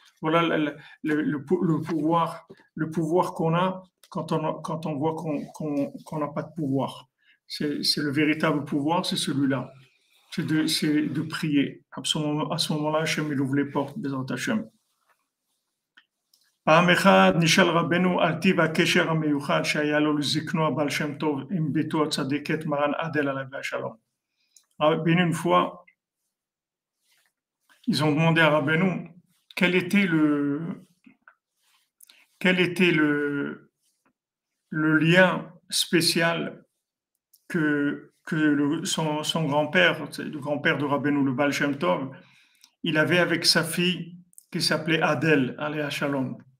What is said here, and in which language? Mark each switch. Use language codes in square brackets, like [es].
[fr] Voilà le pouvoir qu'on a quand on voit qu'on n'a pas de pouvoir. C'est le véritable pouvoir, c'est celui-là. C'est de prier. À ce moment-là, Hachem il ouvre les portes des Hachem. [he] פעם אחד נשאל רבנו על טיב הקשר המיוחד שהיה לו לזקנו הבעל שם טוב עם ביתו הצדיקת מרן עדל עליו השלום. [fr] רבי נפואה, ils ont demandé à רבנו, quel était le lien spécial que son grand-père, le grand-père de רבנו, le בעל שם טוב, il avait avec sa fille qui s'appelait עדל [he] עליה השלום.